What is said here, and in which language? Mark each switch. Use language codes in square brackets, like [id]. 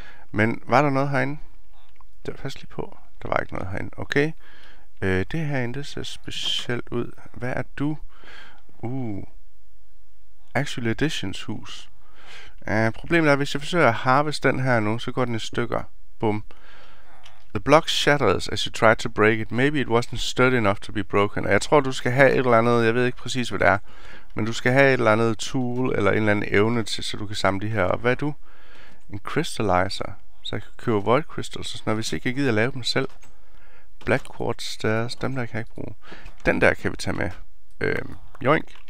[da] Men var der noget herinde? Det var fast lige på. Der var ikke noget herinde, okay? Det herinde ser specielt ud. Hvad er du? Actual Editions hus. Problemet er, hvis jeg forsøger at harvest den her nu, så går den i stykker. Boom. [en] The block shatters as you try to break it. Maybe it wasn't sturdy enough to be broken. [da] Jeg tror, du skal have et eller andet, jeg ved ikke præcis, hvad det er. Men du skal have et eller andet tool, eller en eller anden evne til, så du kan samle de her op. Hvad er du? En crystallizer. Så jeg kan købe void crystals, og sådan noget, hvis ikke jeg gider at lave dem selv. Black quartz stairs, dem der kan jeg ikke bruge. Den der kan vi tage med. Joink.